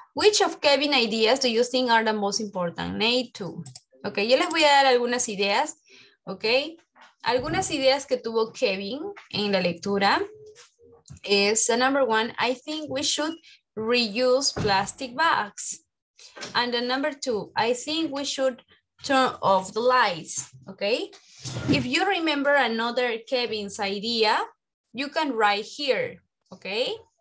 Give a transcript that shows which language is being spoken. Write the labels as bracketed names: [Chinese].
[English] Which of Kevin's ideas do you think are the most important? Nate, too. [Spanish] Ok, yo les voy a dar algunas ideas. ¿Ok? Algunas ideas que tuvo Kevin en la lectura. [English] Es, the number one, I think we should reuse plastic bags. And the number two, I think we should turn off the lights, okay? If you remember another Kevin's idea, you can write here, okay?